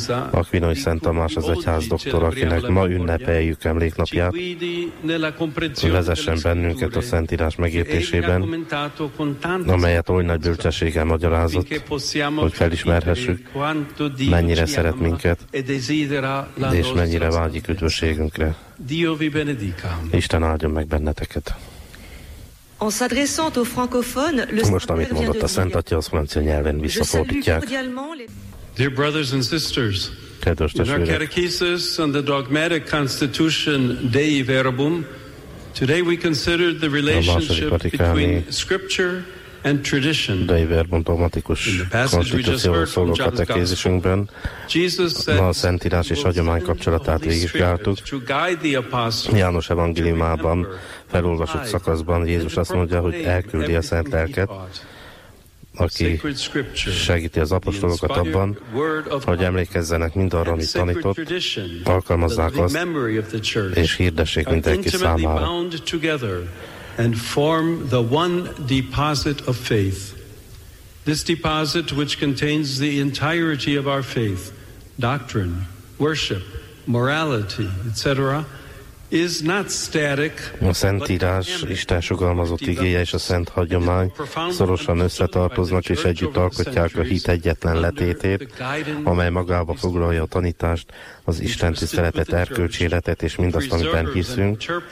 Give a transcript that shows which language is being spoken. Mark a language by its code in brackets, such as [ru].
[hu] Aquinoi Szent Tamás az egyház doktor, akinek ma ünnepeljük emléknapját, vezessen bennünket a Szentírás megértésében, amelyet oly nagy bölcsességgel magyarázott, hogy felismerhessük, mennyire szeret minket, és mennyire vágyik üdvösségünkre. [it] Dio vi benedica. [hu] Isten áldjon meg benneteket. [fr] En s'adressant aux francophones, [hu] le Most, amit mondott a Szent Atya, az francia nyelven visszafordítják. [en] Dear brothers and sisters, [hu] kedves testvérek, [en] in our catechesis on the dogmatic constitution Dei Verbum, today we consider the relationship between scripture and tradition. [hu] Dei Verbum dogmatikus konstitúcióról szóló katekézisünkben ma a Szentírás és hagyomány kapcsolatát végigvizsgáltuk. János evangéliumában felolvasott szakaszban Jézus azt mondja, hogy elküldi a Szent Lelket, aki segíti az apostolokat abban, hogy emlékezzenek mindarra, amit tanított, alkalmazzák azt, és hirdessék mindenki számára. [en] And form the one deposit of faith. This deposit, which contains the entirety of our faith, doctrine, worship, morality, etc., is not static. [hu] A Szentírás, Isten sugalmazott igéje és a szent hagyomány szorosan összetartoznak és együtt alkotják a hit egyetlen letétét, amely magába foglalja a tanítást, az Isten tiszteletet, erkölcséletet és mindazt, amiben hiszünk,